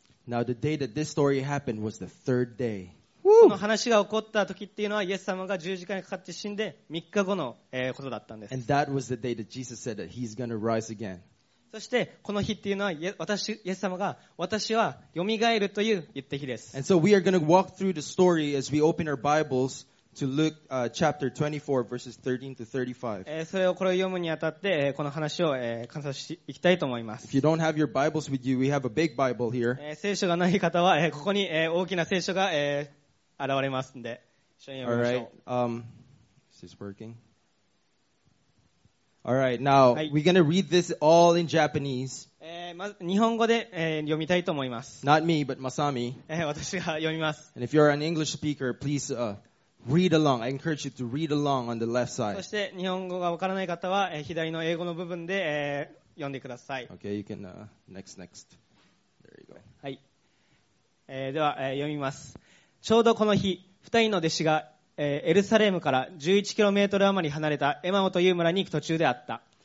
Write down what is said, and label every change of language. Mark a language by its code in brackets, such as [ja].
[en] Now the day that this story happened was the third day. [ja] この話が起こった時っていうのはイエス様が十字架にかかって死んで3日後のことだったんです。 [en] And that was the day that Jesus said that he's going to rise again. [ja] そしてこの日っていうのは私イエス様が私は蘇るという言った日です。 [en] And so we are going to walk through the story as we open our Bibles to Luke chapter 24 verses 13 to 35. [ja] それをこれを読むにあたってこの話を観察していきたいと思います。 [en] If you don't have your Bibles with you, we have a big Bible here. [ja] 聖書がない方はここに大きな聖書が現れますので一緒に読みましょう。 [en] All right. Is this working? All right, now we're gonna read this all in Japanese. [ja] 日本語で、読みたいと思います。 [en] Not me, but Masami. [ja] 私が読みます。 [en] And if you're an English speaker, please, read along. I encourage you to read along on the left side. [ja] そして日本語がわからない方は、左の英語の部分で、読んでください。 [en] Okay, you can, next. There you go. [ja] はい。では、読みます。ちょうどこの日、 2人の弟子がエルサレムから11キロメートル余り離れたエマオという村に行く途中であった。